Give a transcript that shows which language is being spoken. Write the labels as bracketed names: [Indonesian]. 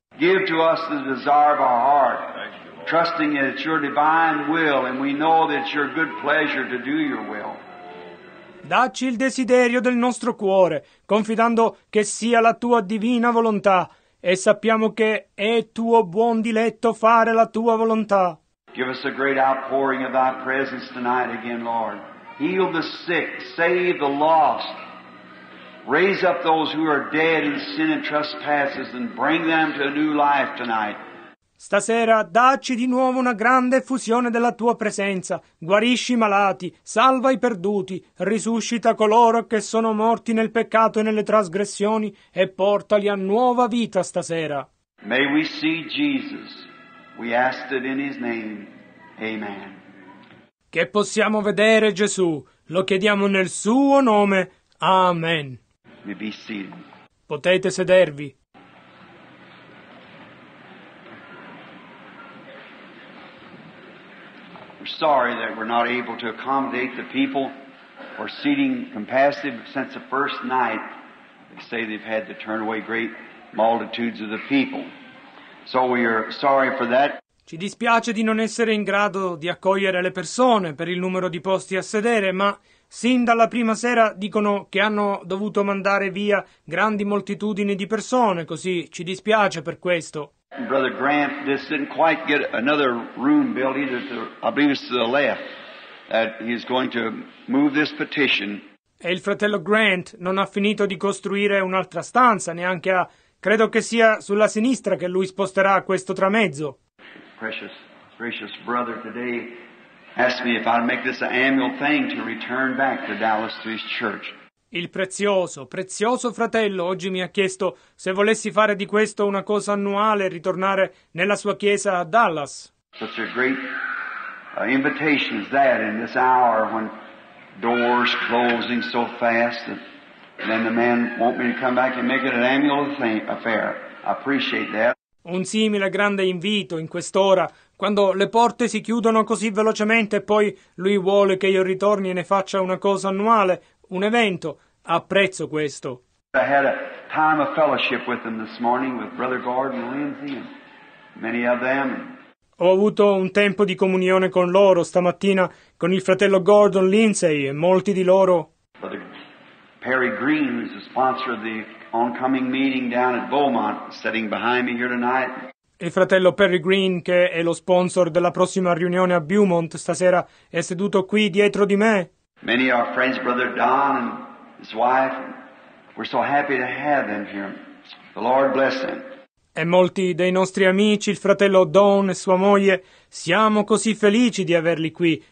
[English] Give to us the desire of our heart, trusting that it's Your divine will, and we know that it's Your good pleasure to do Your will. [Italian] Dacci il desiderio del nostro cuore, confidando che sia la Tua divina volontà, e sappiamo che è tuo buon diletto fare la tua volontà. [English] Give us a great outpouring of thy presence tonight again, Lord. Heal the sick, save the lost. Raise up those who are dead in sin and trespasses and bring them to a new life tonight. [Italian] Stasera dacci di nuovo una grande effusione della tua presenza. Guarisci i malati, salva i perduti, risuscita coloro che sono morti nel peccato e nelle trasgressioni e portali a nuova vita stasera. [English] May we see Jesus. We ask it in his name. Amen. [Italian] Che possiamo vedere Gesù. Lo chiediamo nel suo nome. Amen. [English] May be seated. [Italian] Potete sedervi. [English] We're sorry that we're not able to accommodate the people for seating capacity since the first night. They say they've had to turn away great multitudes of the people. So we are sorry for that. [Italian] Ci dispiace di non essere in grado di accogliere le persone per il numero di posti a sedere, ma sin dalla prima sera dicono che hanno dovuto mandare via grandi moltitudini di persone, così ci dispiace per questo. [English] Brother Grant just didn't quite get another room built either, I believe it's to the left, that he's going to move this petition. [Italian] E il fratello Grant non ha finito di costruire un'altra stanza, neanche a, credo che sia sulla sinistra che lui sposterà questo tramezzo. [English] Precious, precious brother today asked me if I'd make this an annual thing to return back to Dallas to his church. [Italian] Il prezioso, prezioso fratello oggi mi ha chiesto se volessi fare di questo una cosa annuale e ritornare nella sua chiesa a Dallas. [English] Such a great invitation is that in this hour when doors closing so fast that then the man want me to come back and make it an annual affair. I appreciate that. [Italian] Un simile grande invito in quest'ora, quando le porte si chiudono così velocemente e poi lui vuole che io ritorni e ne faccia una cosa annuale. Un evento. Apprezzo questo. [English] I had a time of fellowship with them this morning with Brother Gordon Lindsay and many of them. [Italian] Ho avuto un tempo di comunione con loro stamattina con il fratello Gordon Lindsay e molti di loro. [English] Brother Perry Green, who's the sponsor of the oncoming meeting down at Beaumont, sitting behind me here tonight. [Italian] Il fratello Perry Green, che è lo sponsor della prossima riunione a Beaumont stasera, è seduto qui dietro di me. [English] Many of our friends, Brother Don and his wife, we're so happy to have them here. The Lord bless them. [Italian] E molti dei nostri amici, il fratello Don e sua moglie, siamo così felici di averli qui.